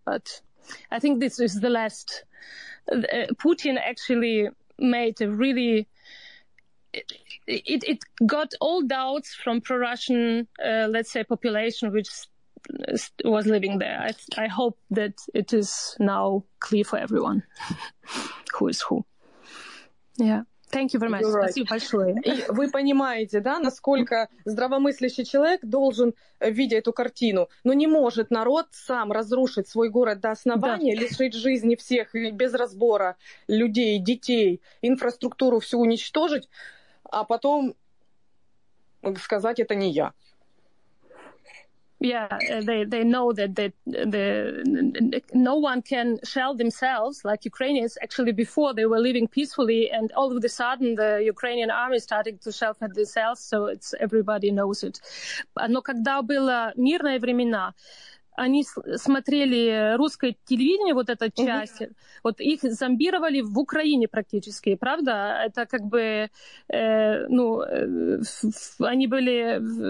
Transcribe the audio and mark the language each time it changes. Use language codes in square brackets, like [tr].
[en] But I think this is the last. Putin actually made a really. It got all doubts from pro-Russian, population, which was living there. I hope that it is now clear for everyone who is who. Yeah. Thank you very much. You're right. [ru] Спасибо большое. И вы понимаете, да, насколько здравомыслящий человек должен видеть эту картину. Но не может народ сам разрушить свой город до основания, да. Лишить жизни всех и без разбора людей, детей, инфраструктуру всю уничтожить, а потом сказать, это не я. [en] Yeah, they know that the no one can shell themselves like Ukrainians. Actually, before they were living peacefully, and all of a sudden the Ukrainian army started to shell themselves. So it's everybody knows it. [ru] Но когда было мирные времена, они смотрели русское телевидение, вот эта часть, вот их зомбировали в Украине практически, правда? Это как бы, они были...